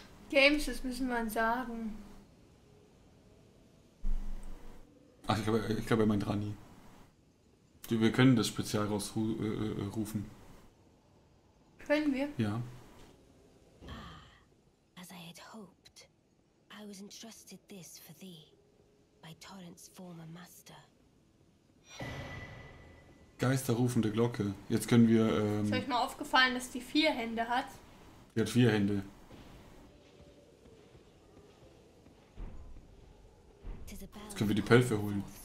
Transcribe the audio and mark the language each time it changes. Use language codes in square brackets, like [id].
[de] Games, das müssen wir sagen. Ach, ich glaube, er meint Rani. Wir können das Spezial rausrufen. Können wir? Ja. [en] As I had hoped, I was entrusted this for thee by Torrent's former master. [de] Geisterrufende Glocke. Jetzt können wir. Ist euch mal aufgefallen, dass die 4 Hände hat? Die hat 4 Hände. Jetzt können wir die Pelfe holen.